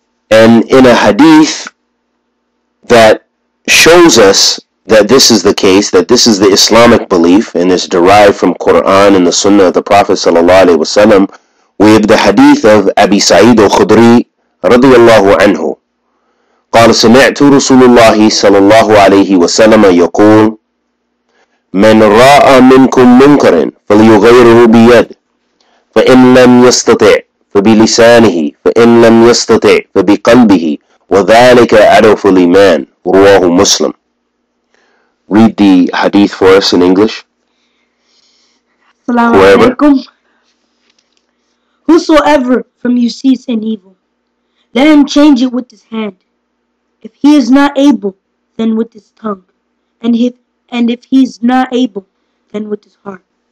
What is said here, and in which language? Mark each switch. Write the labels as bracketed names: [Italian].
[English] And in a hadith that shows us that this is the case, that this is the Islamic belief, and is derived from Quran and the Sunnah of the Prophet sallallahu alaihi wasallam, we have the hadith of Abi Sa'id al-Khudri radiyallahu anhu. [Arabic] قال سمعت رسول الله صلى الله عليه وسلم يقول من راء منكم منكرا فليغيره بيد فإن لم يستطع فبلسانه فإن لم يستطع فبقلبه وذلك أعرف الإيمان. رواه مسلم. [English] Read the hadith for us in English. Assalamu alaikum. Whosoever from you sees an evil, let him change it with his hand. If he is not able, then with his tongue. And if he is not able, then with his heart.